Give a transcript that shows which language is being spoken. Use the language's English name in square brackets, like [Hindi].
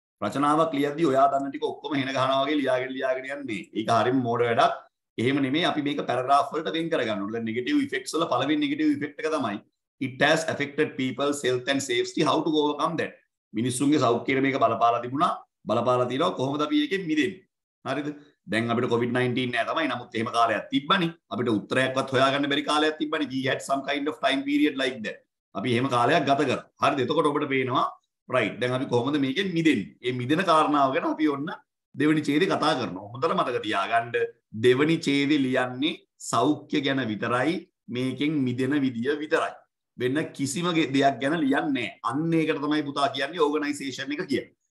[Sinhala] රචනාවක් ලියද්දී ඔයා දන්න ටික ඔක්කොම හින ගහනවා වගේ ලියාගෙන යන්නේ ඒක හරියම මෝඩ වැඩක් එහෙම නෙමෙයි අපි මේක පැරග්‍රාෆ් වලට වෙන් කරගන්න ඕනේ. දැන් නෙගටිව් ඉෆෙක්ට්ස් වල පළවෙනි නෙගටිව් ඉෆෙක්ට් එක තමයි [English] it has affected people's health and safety how to overcome that. [Sinhala] මිනිස්සුන්ගේ සෞඛ්‍යයට මේක බලපාලා තිබුණා. බලපාලා තියනවා කොහොමද අපි ඒකෙන් මිදෙන්නේ? හරිද? දැන් අපිට COVID-19 නෑ තමයි. නමුත් එහෙම කාලයක් තිබ්බනේ. අපිට උත්තරයක්වත් හොයාගන්න බැරි කාලයක් තිබ්බනේ. [English] We had some kind of time period like that. [Sinhala] අපි එහෙම කාලයක් ගත කරා. හරිද? එතකොට ඔබට පේනවා right. දැන් අපි කොහොමද මේකෙන් මිදෙන්නේ? මේ මිදෙන කාරණාව ගැන අපි ඔන්න දෙවනි ඡේදේ කතා කරනවා. හොඳට මතක තියාගන්න දෙවනි ඡේදේ ලියන්නේ සෞඛ්‍ය ගැන විතරයි මේකෙන් මිදෙන විදිය විතරයි. වෙන කිසිම දෙයක් ගැන ලියන්නේ නැහැ. අන්න ඒකට තමයි පුතා කියන්නේ ඕගනයිසේෂන් එක කියන්නේ.